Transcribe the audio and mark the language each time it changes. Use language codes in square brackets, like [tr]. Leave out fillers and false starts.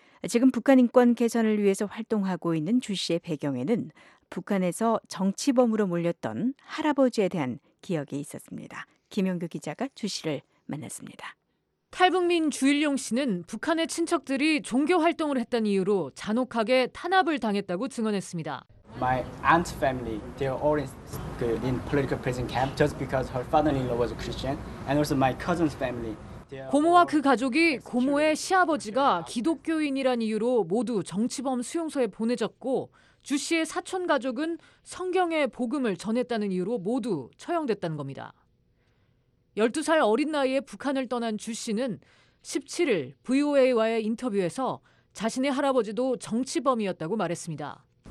[ko] 지금 북한 인권 개선을 위해서 활동하고 있는 주 씨의 배경에는 북한에서 정치범으로 몰렸던 할아버지에 대한 기억이 있었습니다. 김영규 기자가 주 씨를 만났습니다. 탈북민 주일용 씨는 북한의 친척들이 종교 활동을 했다는 이유로 잔혹하게 탄압을 당했다고 증언했습니다. [en] My aunt's family, they are all in political prison camp just because her father-in-law was a Christian, and also my cousin's family. [ko] 고모와 그 가족이 고모의 시아버지가 기독교인이란 이유로 모두 정치범 수용소에 보내졌고, 주 씨의 사촌 가족은 성경의 복음을 전했다는 이유로 모두 처형됐다는 겁니다. 12살 어린 나이에 북한을 떠난 주 씨는 17일 VOA와의 인터뷰에서 자신의 할아버지도 정치범이었다고 말했습니다.